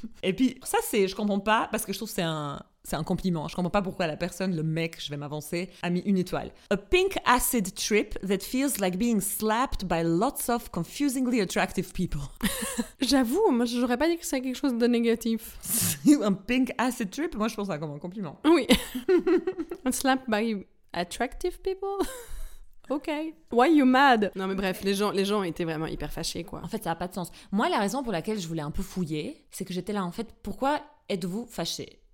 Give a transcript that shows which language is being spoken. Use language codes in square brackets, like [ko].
[fr] Et puis, ça, c'est, je comprends pas, parce que je trouve que c'est un compliment. Je comprends pas pourquoi la personne, le mec, je vais m'avancer, a mis une étoile. [en] A pink acid trip that feels like being slapped by lots of confusingly attractive people. [fr] J'avoue, moi, j'aurais pas dit que c'est quelque chose de négatif. Un [en] pink acid trip, [fr] moi, je pense ça comme un compliment. Oui. Un [en] slap by... Attractive people? Ok. Why you mad? [fr] Non, mais bref, les gens étaient vraiment hyper fâchés, quoi. En fait, ça n'a pas de sens. Moi, la raison pour laquelle je voulais un peu fouiller, c'est que j'étais là, en fait, pourquoi êtes-vous fâchés?